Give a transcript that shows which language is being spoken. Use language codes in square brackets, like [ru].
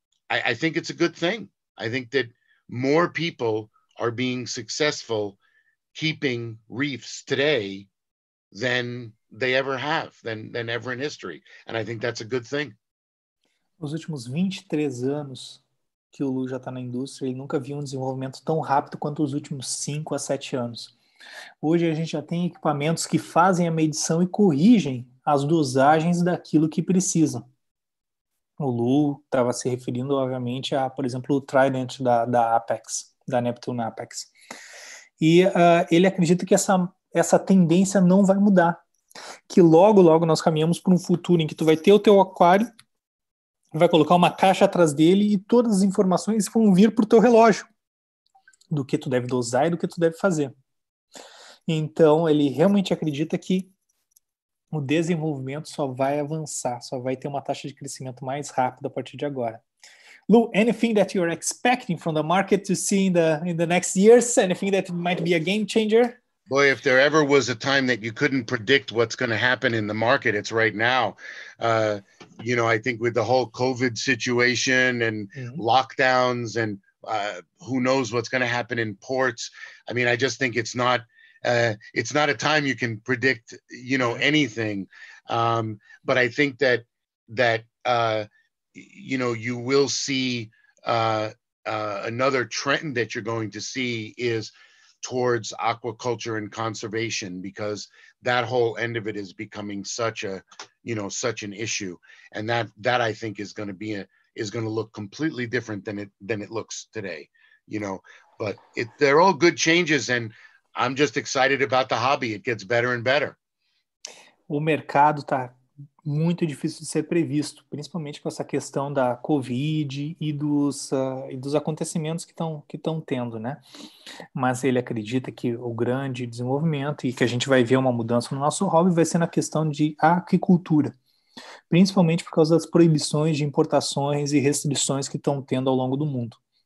[en] I think it's a good thing. I think that more people are being successful keeping reefs today than they ever have, than ever in history. And I think that's a good thing. [pt] Nos últimos 23 anos que o Lu já está na indústria, ele nunca viu um desenvolvimento tão rápido quanto os últimos 5 a 7 anos. Hoje a gente já tem equipamentos que fazem a medição e corrigem as dosagens daquilo que precisam. O Lu estava se referindo, obviamente, a, por exemplo, o Trident da Apex, da Neptune Apex. E ele acredita que essa tendência não vai mudar, que logo, logo nós caminhamos para um futuro em que tu vai ter o teu aquário, vai colocar uma caixa atrás dele e todas as informações vão vir para o teu relógio, do que tu deve dosar e do que tu deve fazer. Então, ele realmente acredita que o desenvolvimento só vai avançar, só vai ter uma taxa de crescimento mais rápida a partir de agora. [en] Lou, anything that you're expecting from the market to see in the next years? Anything that might be a game changer? Boy, if there ever was a time that you couldn't predict what's going to happen in the market, it's right now. You know, I think with the whole COVID situation and lockdowns and who knows what's going to happen in ports. I mean, I just think it's not a time you can predict, you know, anything. But I think that you know, you will see another trend that you're going to see is towards aquaculture and conservation, because that whole end of it is becoming such a, you know, such an issue. And that I think is going to look completely different than it looks today, you know. But they're all good changes, and I'm just excited about the hobby. It gets better and better. [pt] O mercado está muito difícil de ser previsto, principalmente com essa questão da COVID e dos acontecimentos que estão tendo, né? Mas ele acredita que o grande desenvolvimento e que a gente vai ver uma mudança no nosso hobby vai ser na questão de aquicultura, principalmente por causa das proibições de importações e restrições que estão tendo ao longo do mundo.